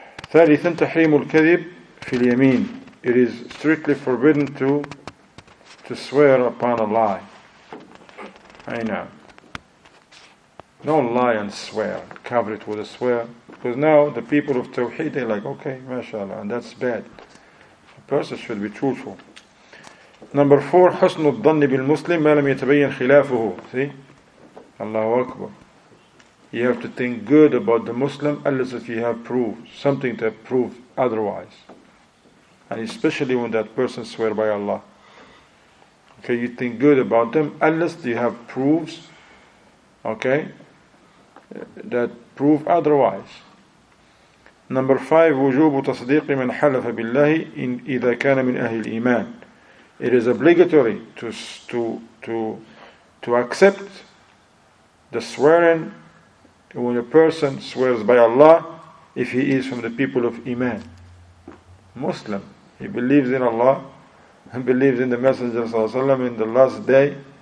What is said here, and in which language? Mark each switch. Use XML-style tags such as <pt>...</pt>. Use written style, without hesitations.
<ar>Thalithan, tahrim al-kadhib fi al-yameen.</ar> <en>It is strictly forbidden to swear upon a lie. Aina. Don't lie and swear. Cover it with a swear. Because now the people of Tawheed, they're like, okay, mashallah, and that's bad. A person should be truthful. Number four,</en> <ar>حُسْنُ الظَّنِّ بِالْمُسْلِمِ مَا لَمْ يَتَبَيَّنْ خِلَافُهُ.</ar> <en>See? Allahu Akbar. You have to think good about the Muslim unless if you have proof, something to prove otherwise. And especially when that person swear by Allah. Okay, you think good about them unless you have proofs, okay, that prove otherwise. Number five,</en> <ar>وجوب تصديق من حلف بالله إذا كان من أهل الإيمان.</ar> <en>It is obligatory to accept the swearing when a person swears by Allah if he is from the people of Iman. Muslim. He believes in Allah and believes in the Messenger ﷺ in the last day.</en>